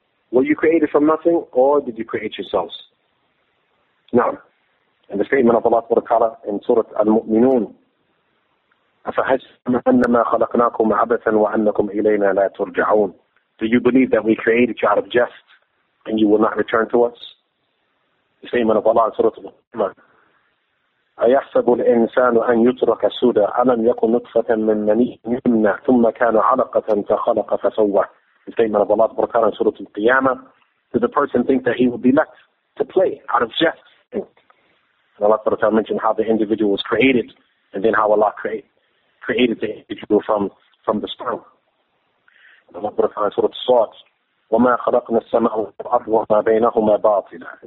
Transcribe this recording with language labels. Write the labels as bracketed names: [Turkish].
[English] Were you created from nothing or did you create yourselves? Now, in the statement of Allah subhanahu wa ta'ala in Surah Al-Mu'minun, [Arabic] أَفَحَسْتُمْ أَنَّمَا خَلَقْنَاكُمْ عَبَثًا وَأَنَّكُمْ إِلَيْنَا لَا تُرْجَعُونَ. [English] Do you believe that we created you out of jest and you will not return to us? The statement of Allah in Surah Al-Mu'minun, [Arabic] أَيَحْسَبُ الْإِنسَانُ أَنْ يُتْرَكَ سُودَ أَلَمْ يَكُنْ نُطْفَةً مِنْ مَنِيٍّ يُمْنَى ثُمَّ كَانَ عَلَقَةً فَخَلَقَ فَسَوَّى. [English] The statement of Allah subhanahu wa ta'ala in Surah Al-Qiyamah, did the person think that he would be left to play out of jest? And Allah subhanahu wa ta'ala mentioned how the individual was created and then how Allah created the individual from the sperm. And Allah subhanahu wa ta'ala in Surah Al-Sa'd, [Arabic] وَمَا خَلَقْنَا السَّمَاءَ وَالْأَرْضَ وَمَا بَيْنَهُمَا بَاطِلًا.